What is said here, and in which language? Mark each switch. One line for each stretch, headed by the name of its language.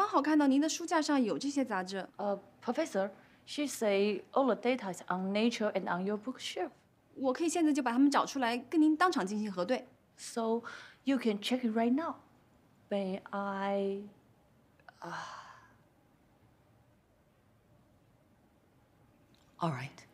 Chinese: 我的这些原始数据都来自于近些年的自然杂志，我刚好看到您的书架上有这些杂志。
English: she say all the data is on Nature and on your bookshelf.
Chinese: 我可以现在就把它们找出来，跟您当场进行核对。So
English: you can check it right now. May I? 啊。All right.